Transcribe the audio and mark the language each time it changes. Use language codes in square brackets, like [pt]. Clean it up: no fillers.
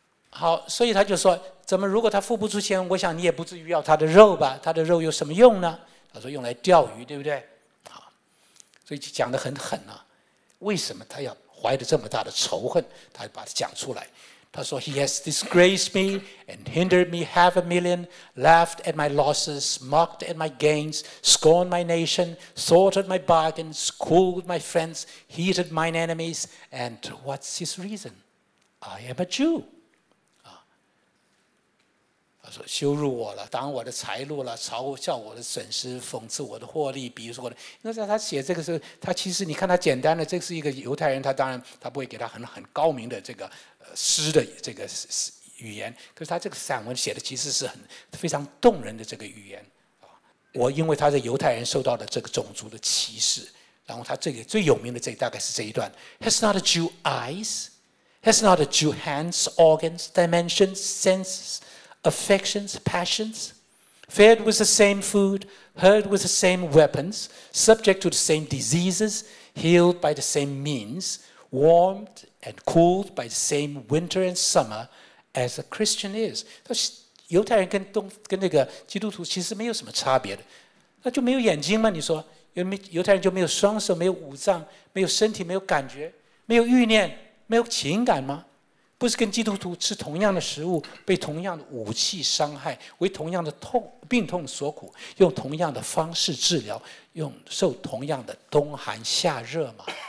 [zh] 好，所以他就说，怎么如果他付不出钱，我想你也不至于要他的肉吧，他的肉有什么用呢？他说用来钓鱼，对不对？好，所以就讲得很狠啊，为什么他要怀着这么大的仇恨，他把它讲出来。他说 [en] ：“He has disgraced me and hindered me half a million, laughed at my losses, mocked at my gains, scorned my nation, thwarted my bargains, cooled my friends, heated mine enemies. And what's his reason? I am a Jew.” [zh] 他说：“羞辱我了，挡我的财路了，嘲笑我的损失，讽刺我的获利，鄙视我的。” 那在他写这个时候，他其实你看他简单的，这是一个犹太人，他当然他不会给他很高明的这个。诗的这个语言，可是他这个散文写的其实是很非常动人的这个语言。我因为他是犹太人受到的这个种族的歧视，然后他最有名的这大概是这一段 ： [en] Has not a Jew eyes? Has not a Jew hands, organs, dimensions, senses, affections, passions? Fed with the same food, heard with the same weapons, subject to the same diseases, healed by the same means, warmed.” And cooled by the same winter and summer as a Christian is. [zh] 犹太人 跟那个基督徒其实没有什么差别的，那就没有眼睛吗？你说犹太人就没有双手，没有五脏，没有身体，没有感觉，没有欲念，没有情感吗？不是跟基督徒吃同样的食物，被同样的武器伤害，为同样的病痛所苦，用同样的方式治疗，用受同样的冬寒夏热吗？